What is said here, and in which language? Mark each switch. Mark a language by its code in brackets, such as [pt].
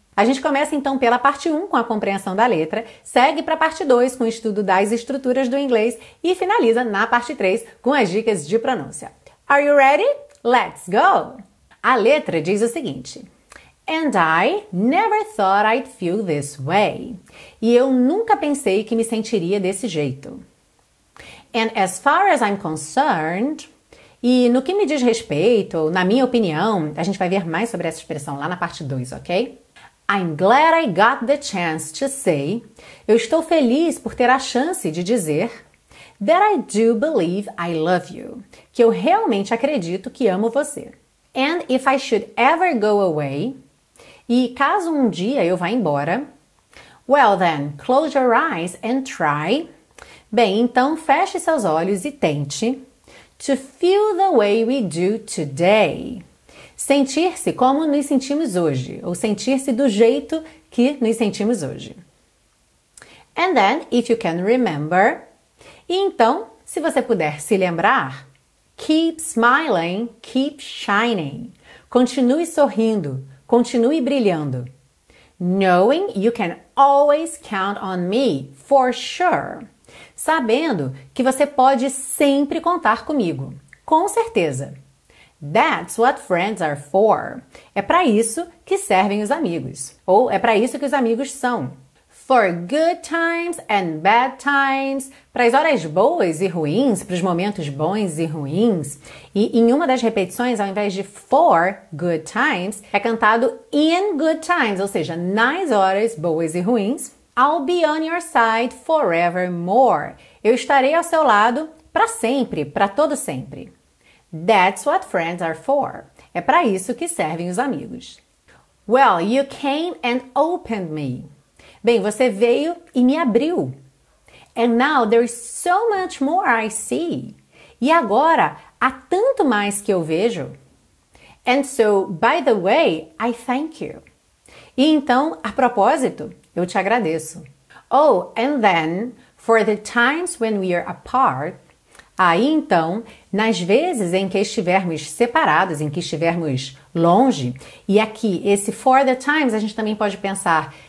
[pt] A gente começa então pela parte 1 com a compreensão da letra, segue para a parte 2 com o estudo das estruturas do inglês e finaliza na parte 3 com as dicas de pronúncia. [en] Are you ready? Let's go! [pt] A letra diz o seguinte: [en] And I never thought I'd feel this way. [pt] E eu nunca pensei que me sentiria desse jeito. [en] And as far as I'm concerned. [pt] E no que me diz respeito, na minha opinião, a gente vai ver mais sobre essa expressão lá na parte 2, ok? [en] I'm glad I got the chance to say. [pt] Eu estou feliz por ter a chance de dizer [en] that I do believe I love you. [pt] Que eu realmente acredito que amo você. [en] And if I should ever go away. [pt] E caso um dia eu vá embora. [en] Well then, close your eyes and try. [pt] Bem, então feche seus olhos e tente [en] to feel the way we do today. [pt] Sentir-se como nos sentimos hoje, ou sentir-se do jeito que nos sentimos hoje. [en] And then, if you can remember. [pt] E então, se você puder se lembrar, [en] keep smiling, keep shining. [pt] Continue sorrindo, continue brilhando. [en] Knowing you can always count on me, for sure. [pt] Sabendo que você pode sempre contar comigo, com certeza. [en] That's what friends are for. [pt] É para isso que servem os amigos. Ou é para isso que os amigos são. [en] For good times and bad times. [pt] Para as horas boas e ruins, para os momentos bons e ruins. E em uma das repetições, ao invés de [en] for good times, [pt] é cantado [en] in good times, [pt] ou seja, nas horas boas e ruins. [en] I'll be on your side forevermore. [pt] Eu estarei ao seu lado para sempre, para todo sempre. [en] That's what friends are for. [pt] É para isso que servem os amigos. [en] Well, you came and opened me. [pt] Bem, você veio e me abriu. [en] And now there's so much more I see. [pt] E agora há tanto mais que eu vejo. [en] And so, by the way, I thank you. [pt] E então, a propósito, eu te agradeço. [en] Oh, and then, for the times when we are apart. [pt] Aí então, nas vezes em que estivermos separados, em que estivermos longe, e aqui esse [en] for the times [pt] a gente também pode pensar